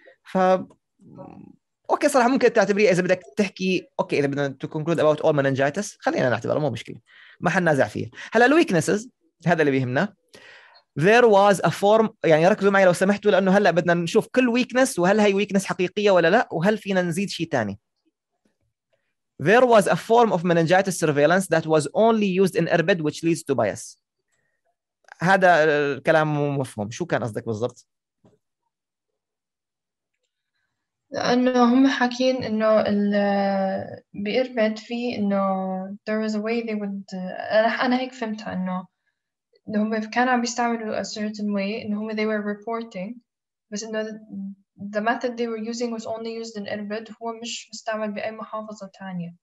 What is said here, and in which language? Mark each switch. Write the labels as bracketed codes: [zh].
[ar] ف اوكي صراحه ممكن تعتبري اذا بدك تحكي اوكي اذا بدنا [en] to conclude about all meningitis [ar] خلينا نعتبره مو مشكله ما حنازع فيه. هلا الويكنسز هذا اللي بيهمنا. [en] There was a form [ar] يعني ركزوا معي لو سمحتوا لانه هلا بدنا نشوف كل ويكنس وهل هي ويكنس حقيقيه ولا لا وهل فينا نزيد شيء ثاني. [en] There was a form of meningitis surveillance that was only used in IRBD which leads to bias. [ar] هذا الكلام مو مفهوم شو كان قصدك بالضبط؟ لأنه هم حاكين إنه ال بإربد في إنه [en] there was a way they would [ar] أنا هيك فهمتها إنه هم كانوا عم بيستعملوا [en] a certain way [ar] إنه هم [en] they were reporting [ar] بس إنه [en] the method they were using was only used in [ar] إربد هو مش مستعمل بأي محافظة تانية